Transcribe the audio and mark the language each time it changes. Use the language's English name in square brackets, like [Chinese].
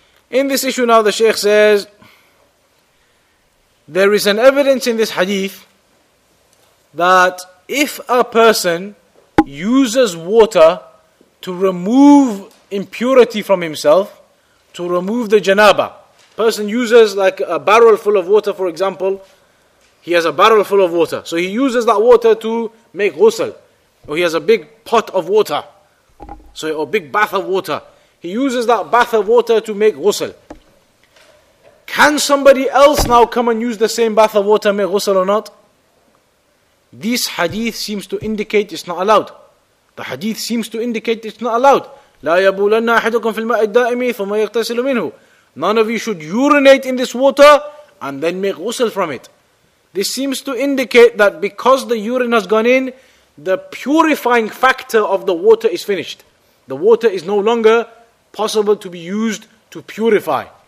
[English] In this issue now, the Shaykh says, there is an evidence in this hadith that if a person uses water to remove impurity from himself, to remove the janaba, person uses like a barrel full of water, for example, he has a barrel full of water, so he uses that water to make ghusl, or he has a big pot of water, so or big bath of water. He uses that bath of water to make ghusl. Can somebody else now come and use the same bath of water and make ghusl or not? This hadith seems to indicate it's not allowed. The hadith seems to indicate it's not allowed. [Arabic] لا يبولن أحدكم في الماء الدائم ثم يغتسل منه. [English] None of you should urinate in this water and then make ghusl from it. This seems to indicate that because the urine has gone in, the purifying factor of the water is finished. The water is no longer possible to be used to purify.